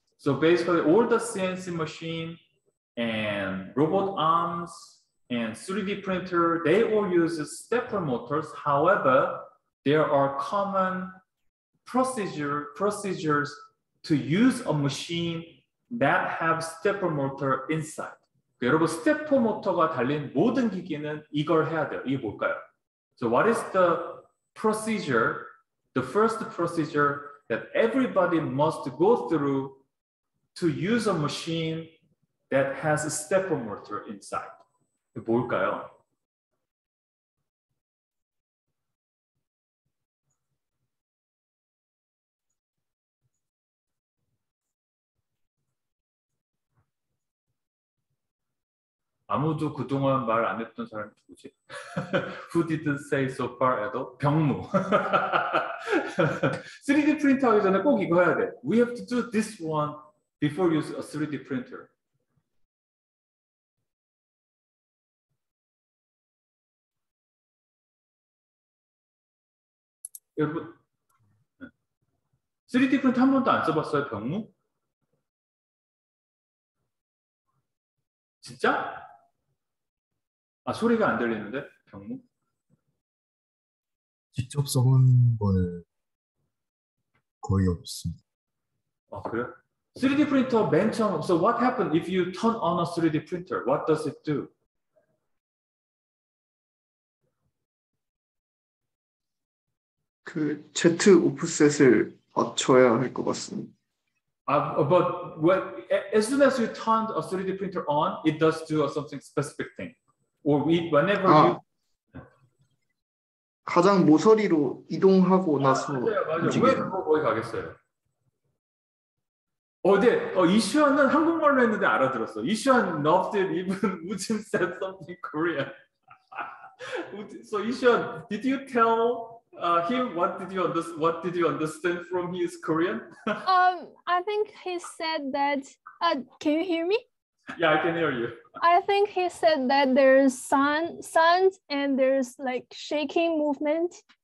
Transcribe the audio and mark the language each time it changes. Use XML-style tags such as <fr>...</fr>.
<en>So basically all the CNC machine and robot arms and 3D printer, they all use stepper motors. However, there are common procedures to use a machine that have stepper motor inside.</en> <ko>여러분, 스테퍼 모터가 달린 모든 기기는 이걸 해야 돼요. 이게 뭘까요?</ko> <en>So what is the procedure? The first procedure that everybody must go through to use a machine that has a stepper motor inside.</en> <ko>이게 뭘까요? 아무도 그동안 말 안 했던 사람이 누구지?</ko> <en>Who didn't say so far at all? 병무.</en> <ko>3D 프린터 하기 전에 꼭 이거 해야 돼.</ko> <en>We have to do this one before you use a 3D printer.</en> <ko>여러분, 3D 프린터 한 번도 안 써봤어요, 병무? 진짜? 아, 소리가 안 들리는데, 병무? 직접 써본 거는 거의 없습니다. 아, 그래? 3D 프린터 맨 처음,</ko> <en>so what happened if you turn on a 3D printer? What does it do?</en> <ko>그 Z 오프셋을 맞춰야 할 것 같습니다.</ko> <en>아, but when, as soon as you turn a 3D printer on, it does do something specific thing. Or we, whenever 아, you</en> <ko>가장 모서리로 이동하고 아, 나서 맞아요. 왜 거기 가겠어요? 어제 네. 이슈안은 한국말로 했는데 알아들었어.</ko> <en>이슈안 loved it even Woojin said something Korean. So 이슈안, did you tell him what did you understand from his Korean? I think he said that. Can you hear me? Yeah, I can hear you. I think he said that there's sound and there's like shaking movement.</en>